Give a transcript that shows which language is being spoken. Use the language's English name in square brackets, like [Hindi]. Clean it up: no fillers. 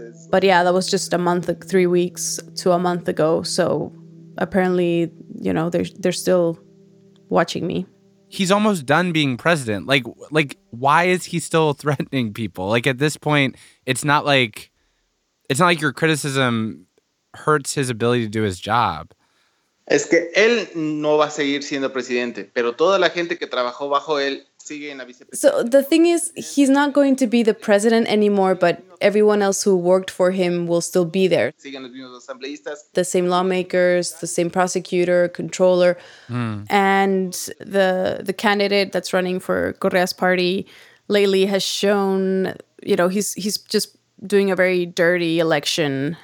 [English] But yeah, that was just a month, 3 weeks to a month ago, so apparently, you know, they're still watching me. He's almost done being president. Like, why is he still threatening people? Like, at this point, it's not like your criticism hurts his ability to do his job. [Spanish] Es que él no va a seguir siendo presidente, pero toda la gente que trabajó bajo él sigue en la vicepresidencia. [English] So the thing is, he's not going to be the president anymore, but everyone else who worked for him will still be there. The same lawmakers, the same prosecutor, controller, and the candidate that's running for Correa's party lately has shown, you know, he's just doing a very dirty election.